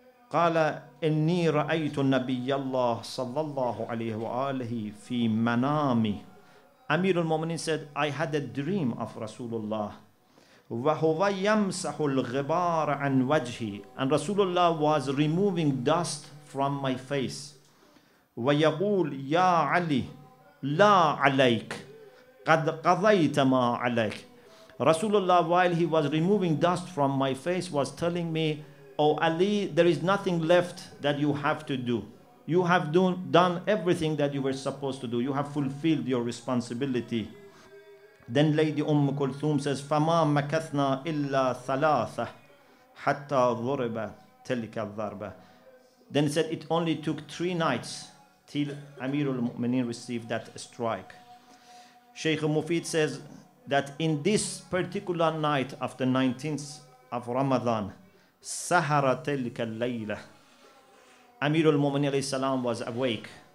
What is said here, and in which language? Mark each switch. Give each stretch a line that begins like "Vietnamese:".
Arabic: قال إني رأيت النبي الله صلى الله عليه وآله في منامي.
English: Amir al-Mu'mineen said, I had a dream of Rasulullah.
Arabic: وَهُوَ يَمْسَحُ الْغِبَارَ عَنْ وَجْهِ.
English: And Rasulullah was removing dust from my face.
Arabic: وَيَقُولُ يَا عَلِي لَا عَلَيْكَ قَدْ قَضَيْتَ مَا عَلَيْكَ.
English: Rasulullah, while he was removing dust from my face, was telling me, oh Ali, there is nothing left that you have to do. You have done everything that you were supposed to do. You have fulfilled your responsibility. Then Lady Umm Kulthum says,
Arabic: فَمَا مَكَثْنَا إِلَّا ثَلَاثَ حَتَّى ضُرِبَ تَلِكَ الضَّرْبَ.
English: Then he said, it only took 3 nights till Amirul Mu'mineen received that strike. Shaykh Mufid says that in this particular night of the 19th of Ramadan,
Arabic: سَحَرَ تَلِكَ اللَّيْلَةَ,
English: Amirul Mu'mineen alayhi salam was awake.